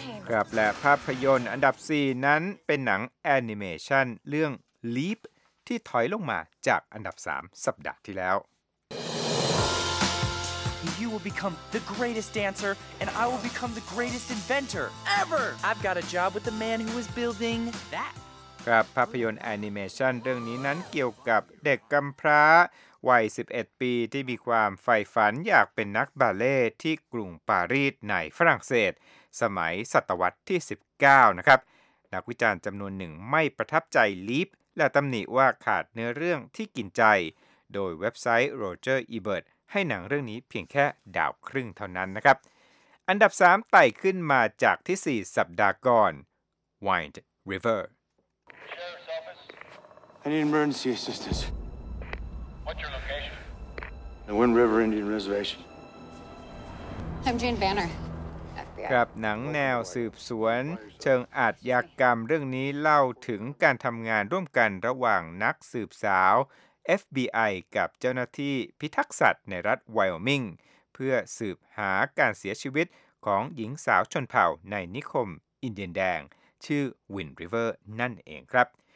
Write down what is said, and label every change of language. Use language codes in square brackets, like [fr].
[th] ครับและภาพยนตร์อันดับ4นั้นเป็นหนังแอนิเมชันเรื่อง Leap ที่ถอยลงมาจากอันดับ3สัปดาห์ที่แล้ว [en] You will become the greatest dancer and I will become the greatest inventor ever. I've got a job with the man who is building that. [th] ครับภาพยนตร์แอนิเมชันเรื่องนี้นั้นเกี่ยวกับเด็กกำพร้าวัย11ปีที่มีความใฝ่ฝันอยากเป็นนักบาเล่ที่กรุงปารีสในฝรั่งเศสสมัยศตวรรษที่19นะครับนักวิจารณ์จำนวนหนึ่งไม่ประทับใจลีฟและตำหนิว่าขาดเนื้อเรื่องที่กินใจ โดยเว็บไซต์ Roger Ebert ให้หนังเรื่องนี้เพียงแค่ดาวครึ่งเท่านั้นนะครับอันดับ3ไต่ขึ้นมาจากที่4สัปดาห์ก่อน Wind River [en] I need emergency assistance What's your location? The Wind River Indian Reservation I'm Jane Banner. [th] ครับหนังแนวสืบสวนเชิงอาชญากรรมเรื่องนี้เล่าถึงการทำงานร่วมกันระหว่างนักสืบสาว FBI กับเจ้าหน้าที่พิทักษ์สัตว์ในรัฐไวโอมิงเพื่อสืบหาการเสียชีวิตของหญิงสาวชนเผ่าในนิคมอินเดียนแดงชื่อ Wind River นั่นเองครับ